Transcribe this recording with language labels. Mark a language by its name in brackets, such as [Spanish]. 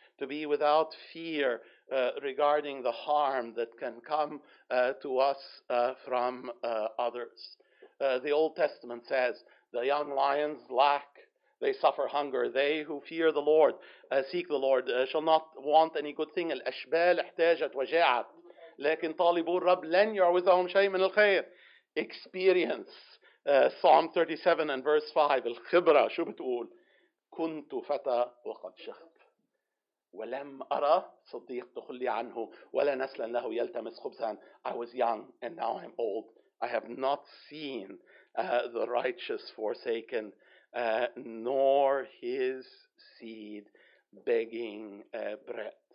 [English] To be without fear regarding the harm that can come to us from others. The Old Testament says, the young lions lack. They suffer hunger. They who fear the Lord, seek the Lord, shall not want any good thing. [Arabic] الأشبال احتاجت وجعت. لكن طالبوا الرب لن يعوزهم شيء من الخير. [English] Experience. Psalm 37 and verse 5. [Arabic] الخبرة شو بتقول؟ كنت فتى وقد شخت. ولم أرى صديق تخلي عنه ولا نسلا له يلتمس خبزا. [English] I was young and now I'm old. I have not seen the righteous forsaken. Nor his seed begging bread.